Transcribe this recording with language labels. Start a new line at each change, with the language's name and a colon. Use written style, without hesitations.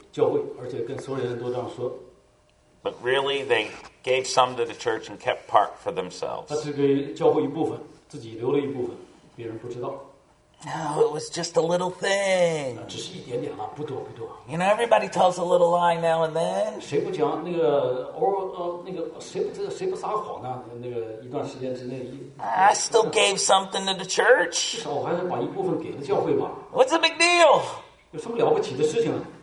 Chinese: 他跟大家说，我要卖我自己这块地，把这个地呢卖了之后，所有的东西呢，我就所有这个得到的钱，我就会给教会，而且跟所有人都这样说。
English: But really, they gave some to the church and kept part for themselves.
Chinese: 他只给教会一部分，自己留了一部分，别人不知道。
English: No, it was just a little thing.
Chinese: 只是一点点啊，不多不多。
English: You know, everybody tells a little lie now and then.
Chinese: 谁不讲那个偶尔那个谁不撒谎呢？那个一段时间之内。
English: I still gave something to the church.
Chinese: 至少我还是把一部分给了教会嘛。
English: What's the big deal?
Chinese: 有什么了不起的事情呢？